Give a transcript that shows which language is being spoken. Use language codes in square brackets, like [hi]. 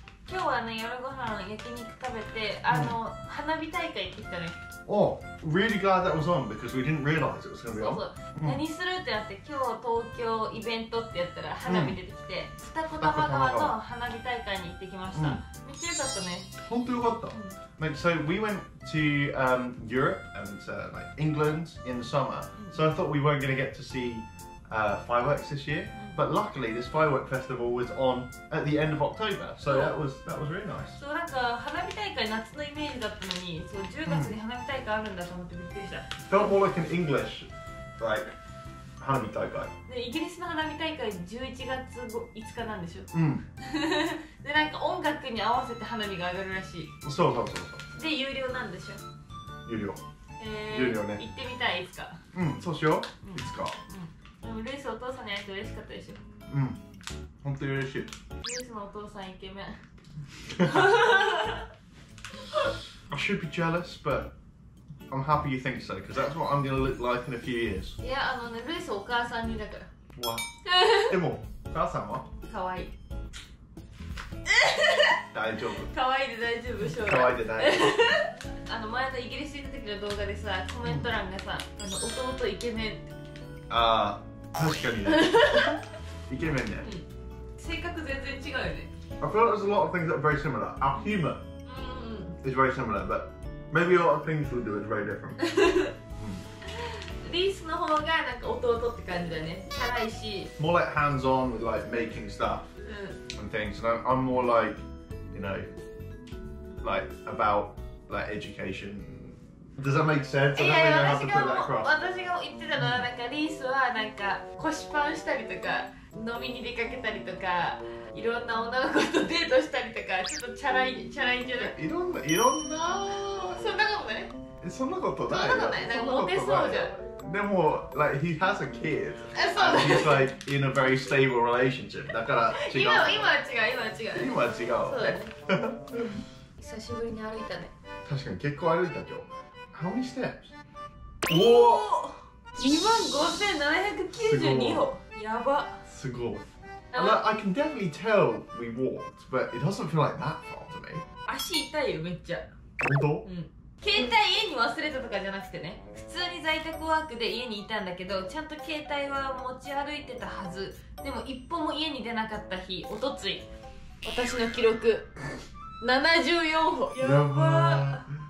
[ja] 今日はね、夜ご飯焼肉食べて、花火大会行ってきたね。 [en] Oh, really glad that was on because we didn't realize it was going to be on. [ja] そうそう、何するってなって、今日東京イベントってやったら花火出てきて、二子玉川の花火大会に行ってきました。めっちゃ良かったね。本当良かった。 [en] Like, so we went to Europe and like England in the summer. So I thought we weren't going to get to see fireworks this year. But luckily, this firework festival was on at the end of October, so that was really nice. So, like, the 花火大会 was the image of the summer. [ja] So, 10月に花火大会あるんだと思ってびっくりした。 [en] Felt more like an English, like, 花火大会.The English 花火大会 is [ja] 11月5日なんでしょ。うん。で、なんか音楽に合わせて花火が上がるらしい。そう。で、有料なんでしょ。有料。有料ね。行ってみたい、いつか。うん、そうしよう。いつか。ルイスお父さんに会えて嬉しかったでしょ。うん、本当に嬉しい。ルイスのお父さんイケメン。 [en] I should be jealous, but I'm happy you think so, because that's what I'm gonna look like in a few years. [ja] いや、ね、ルイスお母さん似だから。わ。でも、お母さんは？かわいい。大丈夫。かわいいで大丈夫、将来。かわいいで大丈夫。前のイギリス行った時の動画でさ、コメント欄がさ、うん、弟イケメンって。ああ、確かにね。イケメンね、うん。性格全然違うよね。 [en] I feel like there's a lot of things that are very similar. Our humor、 [ja] うん、 [en] is very similar, but maybe a lot of things we do is very different. 、 [ja] うん、リースの方がなんか弟って感じだね。チャラいし。 [en] More like hands-on with like making stuff、 [ja] うん、 [en] and things. And I'm more like, you know, like about like education. Does that make sense? [ja] いや、私が言ってたのはなんかリースはなんか腰パンしたりとか飲みに出かけたりとかいろんな女の子とデートしたりとかちょっとチャラいんじゃない？いろんなそんなことない？そんなことない？そんなことない？なんかモテそうじゃん。でも、 [en] like, he has a kid. And he's like in a very stable relationship. [ja] だから違う。今は違う。そうだね。久しぶりに歩いたね。確かに結構歩いた今日。 [en] How many steps? [ja] おぉ 25,792歩。やば。すごい。 [en] I can definitely tell we walked, but it doesn't feel like that far to me. [ja] 足痛いよ、めっちゃ。本当？うん。携帯家に忘れたとかじゃなくてね。普通に在宅ワークで家にいたんだけど、ちゃんと携帯は持ち歩いてたはず。でも一歩も家に出なかった日、おとつい。私の記録、74歩。やば